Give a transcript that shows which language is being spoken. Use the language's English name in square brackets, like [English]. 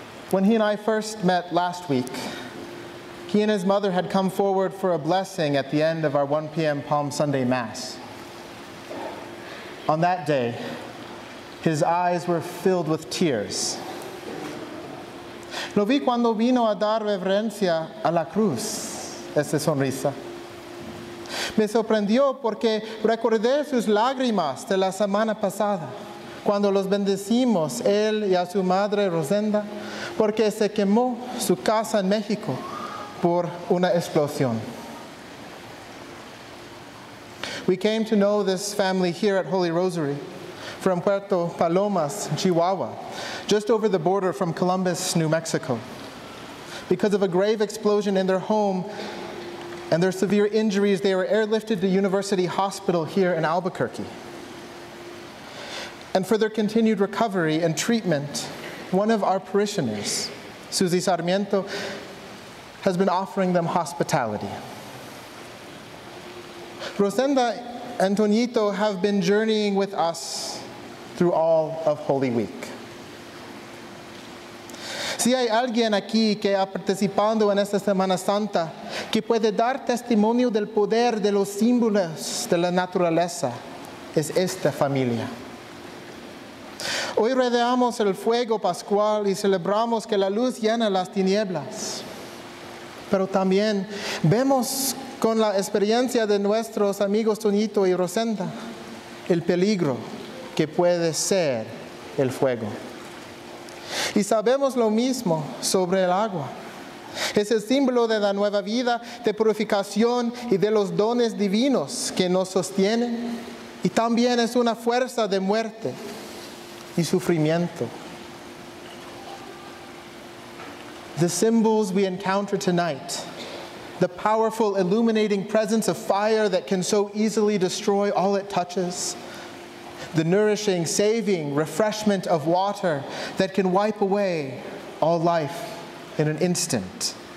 [English] When he and I first met last week, he and his mother had come forward for a blessing at the end of our 1 p.m. Palm Sunday Mass. On that day, his eyes were filled with tears. [Spanish] Lo vi cuando vino a dar reverencia a la cruz, esa sonrisa. Me sorprendió porque recordé sus lágrimas de la semana pasada, cuando los bendecimos, él y a su madre Rosenda, porque se quemó su casa en México por una explosión. [English] We came to know this family here at Holy Rosary from Puerto Palomas, Chihuahua, just over the border from Columbus, New Mexico, because of a grave explosion in their home and their severe injuries, they were airlifted to University Hospital here in Albuquerque. And for their continued recovery and treatment, one of our parishioners, Susie Sarmiento, has been offering them hospitality. Rosenda and Toñito have been journeying with us through all of Holy Week. [Spanish] Si hay alguien aquí que ha participado en esta Semana Santa que puede dar testimonio del poder de los símbolos de la naturaleza, es esta familia. Hoy rodeamos el fuego pascual y celebramos que la luz llena las tinieblas. Pero también vemos con la experiencia de nuestros amigos Toñito y Rosenda el peligro que puede ser el fuego. Y sabemos lo mismo sobre el agua. Es el símbolo de la nueva vida, de purificación y de los dones divinos que nos sostienen. Y también es una fuerza de muerte y sufrimiento. [English] The symbols we encounter tonight, the powerful illuminating presence of fire that can so easily destroy all it touches, the nourishing, saving, refreshment of water that can wipe away all life in an instant.